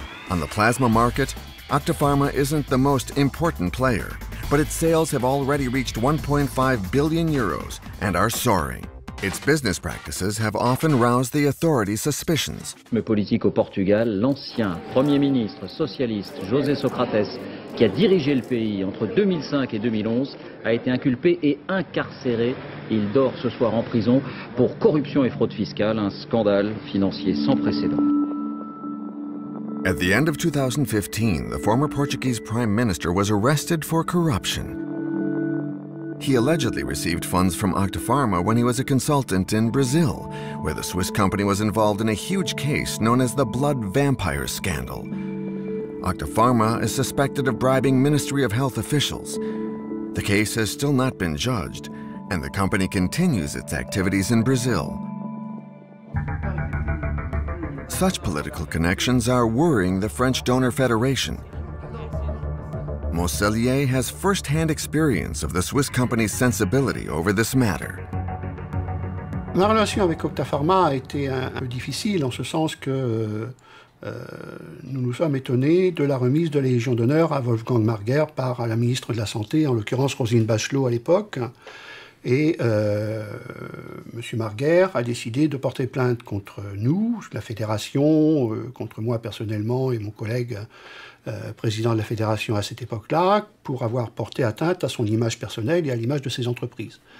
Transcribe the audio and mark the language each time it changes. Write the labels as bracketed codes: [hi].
[en] On the plasma market, Octapharma isn't the most important player, but its sales have already reached 1.5 billion euros and are soaring. Its business practices have often roused the authorities' suspicions. [fr] Le politique au Portugal, l'ancien premier ministre socialiste José Socrates, qui a dirigé le pays entre 2005 et 2011, a été inculpé et incarcéré. Il dort ce soir en prison pour corruption et fraude fiscale, un scandale financier sans précédent. [en] At the end of 2015, the former Portuguese Prime Minister was arrested for corruption. He allegedly received funds from Octapharma when he was a consultant in Brazil, where the Swiss company was involved in a huge case known as the Blood Vampire Scandal. Octopharma is suspected of bribing Ministry of Health officials. The case has still not been judged, and the company continues its activities in Brazil. Such political connections are worrying the French Donor Federation. Mosellier has first-hand experience of the Swiss company's sensibility over this matter. [fr] La relation avec Octapharma a été un peu difficile en ce sens que nous nous sommes étonnés de la remise de la Légion d'honneur à Wolfgang Marger par la ministre de la Santé, en l'occurrence Roselyne Bachelot à l'époque. Et M. Marger a décidé de porter plainte contre nous, la Fédération, contre moi personnellement et mon collègue président de la Fédération à cette époque-là, pour avoir porté atteinte à son image personnelle et à l'image de ses entreprises.